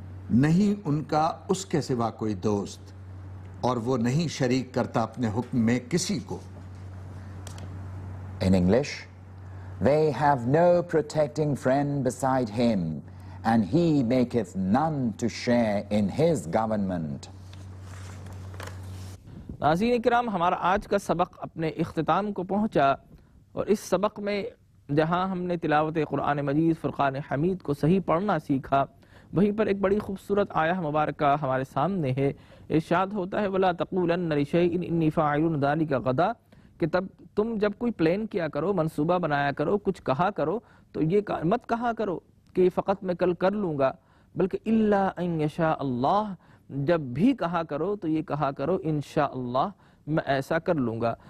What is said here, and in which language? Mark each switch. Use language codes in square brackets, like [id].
[ur] نہیں ان کا اس کے سوا کوئی دوست اور وہ نہیں شریک کرتا اپنے حکم میں کسی کو. [en] In English, they have no protecting friend beside him, and he maketh none to share in his government. [ur] ناظرین اکرام, ہمارا آج کا سبق اپنے اختتام کو پہنچا, اور اس سبق میں جہاں ہم نے تلاوت قرآن مجید فرقان حمید کو صحیح پڑھنا سیکھا, وہیں پر ایک بڑی خوبصورت آیہ مبارکہ ہمارے سامنے ہے. ارشاد ہوتا ہے [ar] وَلَا تَقُولَنَّ لِشَيْءٍ إِنِّي فَاعِلٌ ذَلِكَ غَدًا, [ur] کہ تب تم جب کوئی پلان کیا کرو, منصوبہ بنایا کرو, کچھ کہا کرو, تو یہ مت کہا کرو کہ یہ فقط میں کل کر لوں گا, بلکہ [ar] الا ان یشاء اللہ, [ur] جب بھی کہا کرو تو یہ کہا کرو انشاء اللہ میں ایسا کر لوں گا.